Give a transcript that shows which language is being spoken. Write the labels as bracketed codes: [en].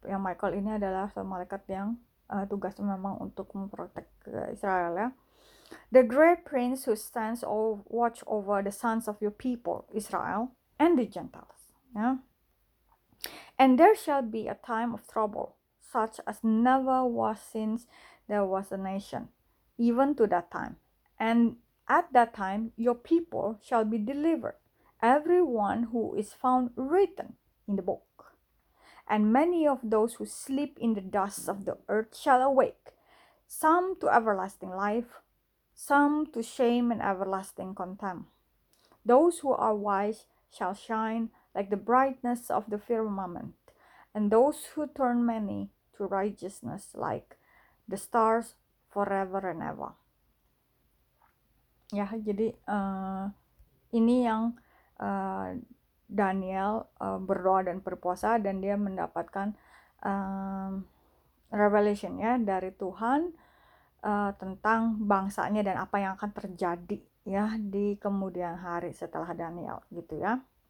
[id] Ya, Michael ini adalah seorang malaikat yang tugasnya memang untuk memprotek Israel ya. [en] The great prince who stands watch over the sons of your people Israel and the Gentiles. Ya. And there shall be a time of trouble such as never was since there was a nation even to that time. And at that time your people shall be delivered, everyone who is found written in the book, and many of those who sleep in the dust of the earth shall awake, some to everlasting life, some to shame and everlasting contempt. Those who are wise shall shine like the brightness of the firmament, and those who turn many to righteousness like the stars forever and ever. [id] Ya, jadi ini yang Daniel berdoa dan berpuasa, dan dia mendapatkan revelation ya dari Tuhan tentang bangsanya dan apa yang akan terjadi ya di kemudian hari setelah Daniel gitu ya.